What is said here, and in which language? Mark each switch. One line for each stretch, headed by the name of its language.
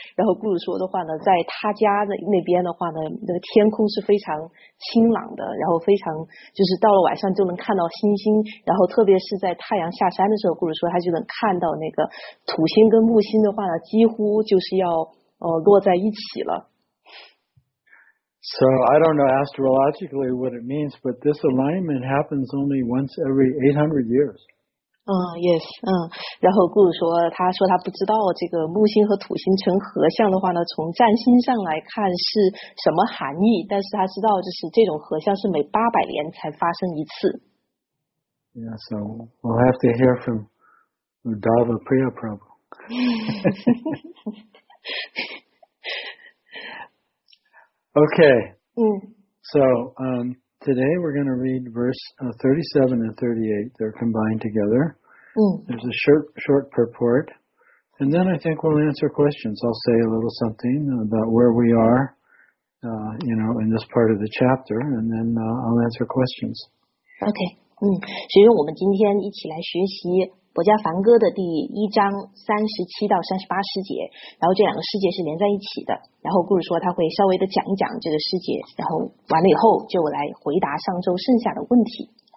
Chinese: 然后Guru说的话呢，在他家的那边的话呢，那个天空是非常清朗的，然后非常就是到了晚上就能看到星星，然后特别是在太阳下山的时候，Guru说他就能看到那个土星跟木星的话呢，几乎就是要落在一起了。
English: So I don't know astrologically what it means, but this alignment happens only once every 800 years. Yes.
Chinese: 然后顾说，他说他不知道这个木星和土星成合相的话呢，从占星上来看是什么含义，但是他知道就是这种合相是每800年才发生一次。
English: Yeah, so we'll have to hear from Uddhava Priya Prabhu. Okay, so today we're going to read verse 37 and 38. They're combined together. There's a short purport. And then I think we'll answer questions. I'll say a little something about where we are, in this part of the chapter, and then I'll answer questions. Okay.
Chinese: 所以我们今天一起来学习佛家梵歌的第一章37到38诗节，然后这两个诗节是连在一起的。然后顾主说他会稍微的讲一讲这个诗节，然后完了以后就来回答上周剩下的问题。